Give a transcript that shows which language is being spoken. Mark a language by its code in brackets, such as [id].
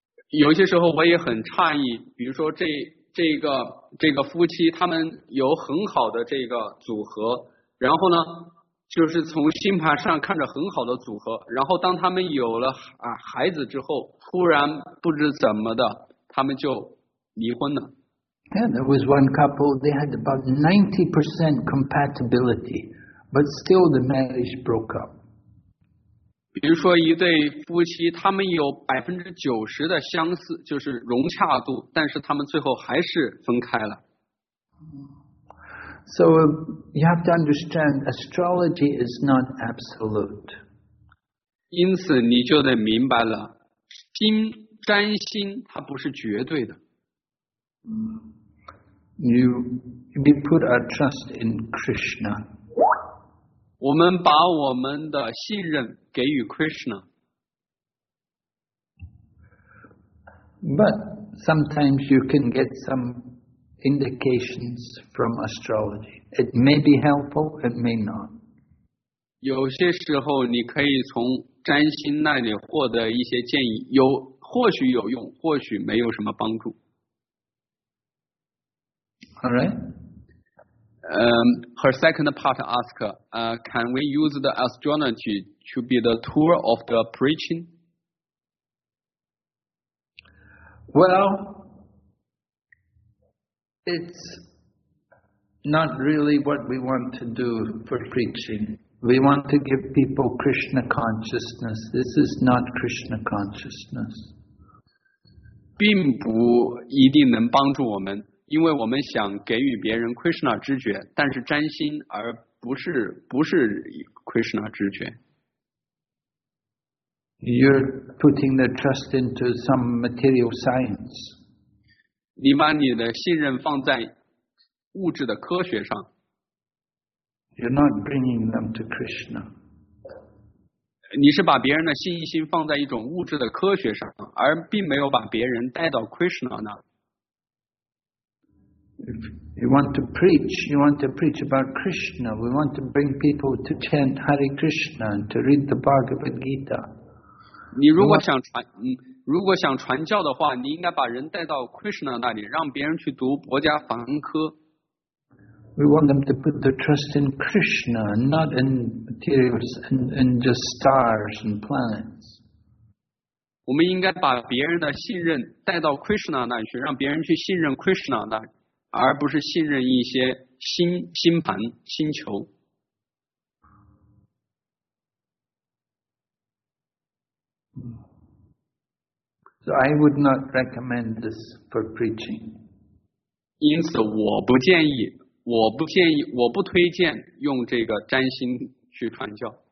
[zh] 有些时候我也很诧异，比如说这个夫妻，他们有很好的这个组合，然后呢？就是从星盘上看着很好的组合，然后当他们有了孩子之后，忽然不知怎么的，他们就离婚了。 [en] Yeah, there was one couple, they had about 90% compatibility, but still the marriage broke up. [zh] 比如说一对夫妻，他们有90%的相似，就是融洽度，但是他们最后还是分开了。 [en] So you have to understand astrology is not absolute. [zh] 因此你就得明白了，星占星它不是绝对的。 [en] We put our trust in Krishna. [zh] 我们把我们的信任给予 Krishna. [en] But sometimes you can get some indications from astrology. It may be helpful, it may not. [zh] 有些时候你可以从占星那里获得一些建议，或许有用，或许没有什么帮助。 [en] All right. Her second part ask, can we use the astrology to be the tool of the preaching? Well,It's not really what we want to do for preaching. We want to give people Krishna consciousness. This is not Krishna consciousness. [zh] 并不一定能帮助我们，因为我们想给予别人 Krishna 知觉，但是占星而不是 Krishna 知觉。 [en] You're putting the trust into some material science. [zh] 你把你的信任放在物质的科学上。 [en] You're not bringing them to Krishna. [zh] 你是把别人的信心放在一种物质的科学上，而并没有把别人带到 Krishna 那。 [en] If you want to preach, you want to preach about Krishna. We want to bring people to chant Hare Krishna and to read the Bhagavad Gita. [zh] 你如果想传，如果想传教的话，你应该把人带到 Krishna 那里，让别人去读《博迦梵科》。 [en] We want them to put their trust in Krishna, not in materials and in just stars and planets. [zh] 我们应该把别人的信任带到 Krishna 那里去，让别人去信任 Krishna 那里，而不是信任一些星盘、星球。 [en] So I would not recommend this for preaching. [zh] 因此，我不建议。我不建议，我不推荐用这个占星去传教。